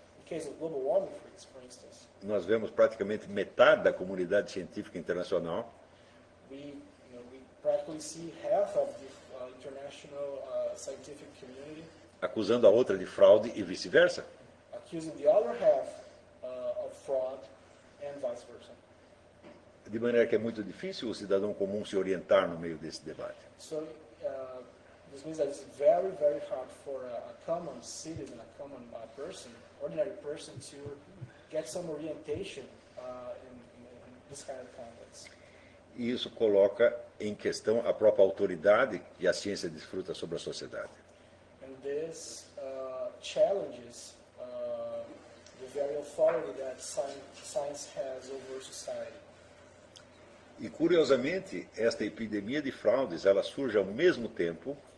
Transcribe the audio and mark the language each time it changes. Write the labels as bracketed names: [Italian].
[English] in case of global warming, for instance, [Portuguese] nós vemos praticamente metade da comunidade científica internacional. [English] We, you know, we practically see half of the international scientific community [Portuguese] acusando a outra de fraude e vice-versa. [English] Accusing the other half of fraud and vice versa. [Portuguese] De maneira que é muito difícil o cidadão comum se orientar no meio desse debate. [English] So, this means that it's very, very hard for a common citizen, a common person, ordinary person, to get some orientation in this kind of context. [Portuguese] E isso coloca em questão a própria autoridade que a ciência desfruta sobre a sociedade. [English] And this challenges the very authority that science has over society. [Portuguese] E, curiosamente, esta epidemia de fraudes, ela surge ao mesmo tempo.